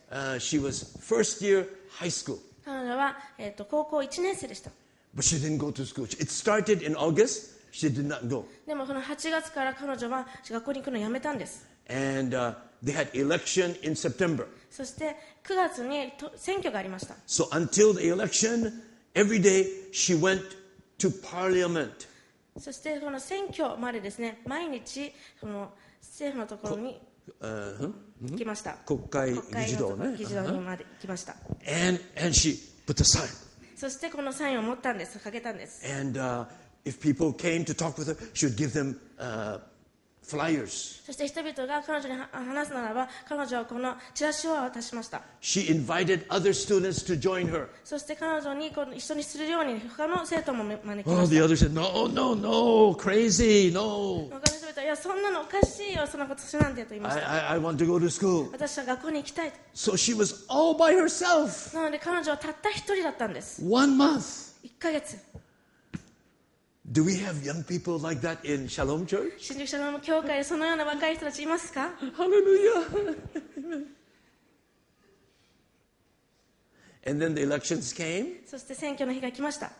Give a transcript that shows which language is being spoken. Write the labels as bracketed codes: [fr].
[en] She was first year high school. [ja] 彼女は高校1年生でした。 [en] But she didn't go to school. It started in August. She did not go. [ja] でもこの8月から彼女は学校に行くのをやめたんです。 [en] And, they had election in September. [ja] そして9月に選挙がありました。 [en] So until the election, every day she went to parliament. [ja] そしてこの選挙までですね、毎日この政府のところに行きました。国会議事堂ね。議事堂まで行きました。 [en] And she put the sign. [ja] そしてこのサインを持ったんです、掲げたんです。 [en] And if people came to talk with her, she would give them flyers. [ja] そして人々が彼女に話すならば、彼女はこのチラシを渡しました。 [en] She invited other students to join her. [ja] そして彼女に一緒にするように他の生徒も招きました。 [en] Oh, the others said, no, crazy, no. [ja] 他の人々はました。いや、そんなのおかしいよ、そんなこと、年なんてと言いました。 [en] I want to go to school. [ja] 私は学校に行きたい。 [en] So she was all by herself. [ja] なので彼女はたった一人だったんです。 [en] One month. [ja] 1ヶ月。 [en] Do we have young people like that in Shalom Church? [ja] 新宿シャローム教会でそのような若い人たちいますか？ [en] Hallelujah! And then the elections came. [ja] そして選挙の日が来ました。